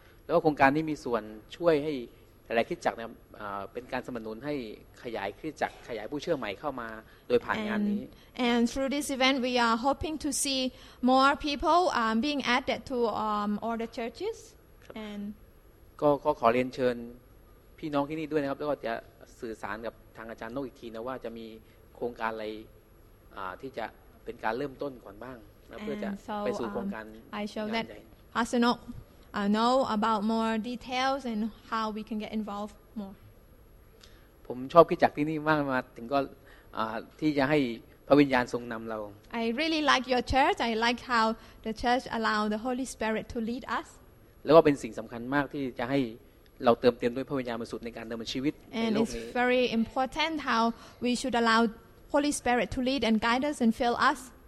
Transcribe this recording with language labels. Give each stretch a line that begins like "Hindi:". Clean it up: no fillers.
Thai: แล้วโครงการนี้มีส่วนช่วยให้หลายคริสตจักรเนี่ยเป็นการสนับสนุนให้ขยายคริสตจักรขยายผู้เชื่อใหม่เข้ามาโดยผ่านงานนี้
English: And through this event we are hoping to see more people being added to all the churches. And
Thai: ก็ขอเรียนเชิญพี่น้องที่นี่ด้วยนะครับแล้วก็จะสื่อสารกับทางอาจารย์โนกอีกทีนะว่าจะมีโครงการอะไรที่จะ เป็นการเริ่มต้นก่อนบ้างนะเพื่อจะไปสู่โครงการ
English: I shall let Hasanok know about more details and how we can get involved more
Thai: ผมชอบคริสตจักรที่นี่มากมาถึงก็ที่จะให้พระวิญญาณทรงนำเรา
English: I really like your church I like how the church allow the Holy Spirit to lead us
Thai: แล้วก็เป็นสิ่งสำคัญมากที่จะให้เราเติมเต็มด้วยพระวิญญาณบริสุทธิ์ในการดำเนินชีวิตในโลกนี้
English: And it's very important how we should allow Holy Spirit to lead and guide us and fill us